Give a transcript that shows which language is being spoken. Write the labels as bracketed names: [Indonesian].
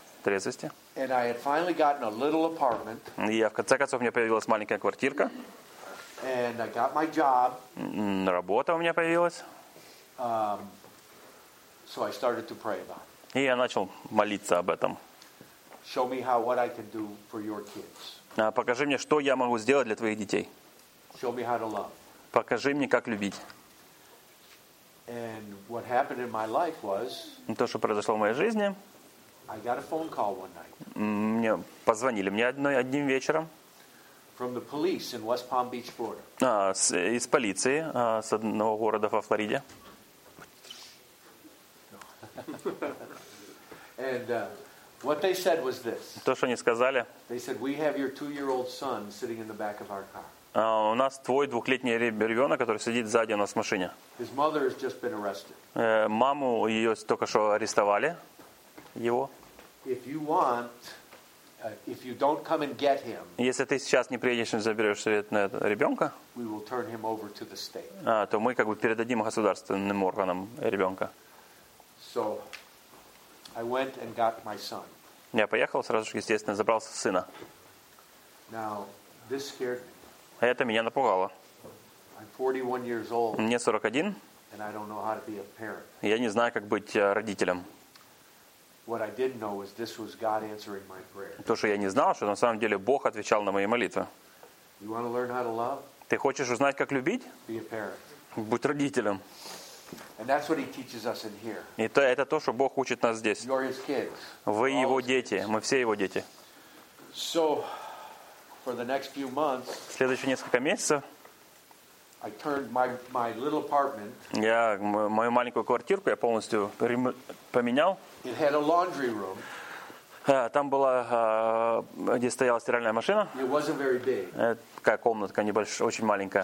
[English] And I had finally gotten a little apartment. [Russian] И я в конце концов у меня появилась маленькая квартирка. [English] And I got my job. [Russian] Работа у меня появилась. [English] So I started to pray about it. [Russian] И я начал молиться об этом. [English] Show me how what I can do for your kids. [Russian] Покажи мне, что я могу сделать для твоих детей. [English] Show me how to love. [Russian] Покажи мне, как любить. [English] And what happened in my life was. [Russian] То, что произошло в моей жизни. [English] I got a phone call one night. [Russian] Мне позвонили мне одним вечером. [English] From the police in West Palm Beach, Florida. [Russian] Из полиции с одного города во Флориде. [English] And what they said was this. [Russian] То, что они сказали. [English] They said, we have your 2-year-old son sitting in the back of our car. [Russian] У нас твой 2-летний ребенок, который сидит сзади у нас в машине. [English] His mother has just been arrested. [Russian] Маму ее только что арестовали. Его. [English] If you want, if you don't come and get him, [Russian] если ты сейчас не приедешь и заберешь совет на ребенка, [English] we will turn him over to the state. [Russian] То мы как бы передадим государственным органам ребенка. [English] So, I went and got my son. [Russian] Я поехал сразу же, естественно, забрался сына. [English] Now, this scared me. [Russian] А это меня напугало. [English] I'm 41 years old. [Russian] Мне 41. [English] And I don't know how to be a parent. [Russian] Я не знаю, как быть родителем. [English] What I didn't know was this was God answering my prayer. [Russian] То, что я не знал, что на самом деле Бог отвечал на мои молитвы. [English] You want to learn how to love? [Russian] Ты хочешь узнать, как любить? [English] Be a parent. [Russian] Будь родителем. [English] And that's what he teaches us in here. [Russian] И это то, что Бог учит нас здесь. [English] You're his kids. [Russian] Вы его дети. Мы все его дети. [English] So, for the next few months, [Russian] следующие несколько месяцев, [English] I turned my little apartment. [Russian] Я мою маленькую квартирку я полностью поменял. [English] It had a laundry room. [Russian] Там была, где стояла стиральная машина. [English] It wasn't very big. [Russian] Такая комнатка небольшая, очень маленькая.